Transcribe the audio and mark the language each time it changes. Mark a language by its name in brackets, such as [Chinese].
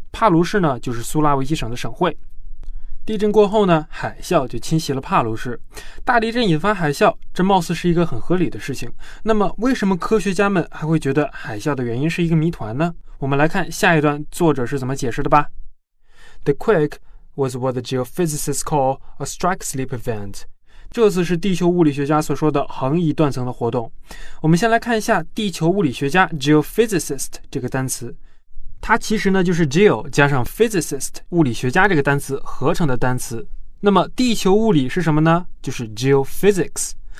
[Chinese] 帕卢市呢，就是苏拉维西省的省会。地震过后呢，海啸就侵袭了帕卢市。大地震引发海啸，这貌似是一个很合理的事情。那么，为什么科学家们还会觉得海啸的原因是一个谜团呢？我们来看下一段作者是怎么解释的吧。 [English] The quake was what the geophysicists call a strike slip event. [Chinese] 这次是地球物理学家所说的横移断层的活动。我们先来看一下地球物理学家 geophysicist 这个单词。它其实呢就是 geo 加上 physicist 物理学家这个单词合成的单词。那么地球物理是什么呢？就是 geophysics。